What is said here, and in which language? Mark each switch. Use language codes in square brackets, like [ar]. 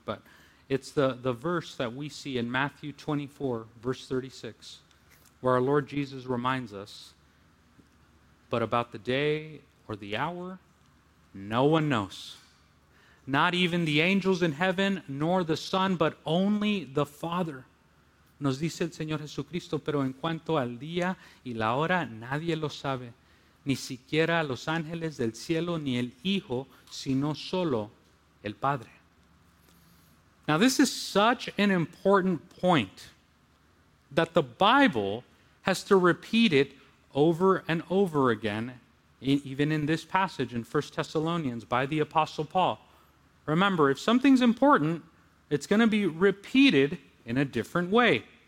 [en] But it's the verse that we see in Matthew 24, verse 36. Where our Lord Jesus reminds us, but about the day or the hour, no one knows. Not even the angels in heaven, nor the Son, but only the Father. [es] Nos dice el Señor Jesucristo, pero en cuanto al día y la hora, nadie lo sabe. Ni siquiera los ángeles del cielo, ni el Hijo, sino solo el Padre. [en] Now, this is such an important point that the Bible has to repeat it over and over again, even in this passage in 1 Thessalonians by the Apostle Paul. Remember, if something's important, it's going to be repeated in a different way.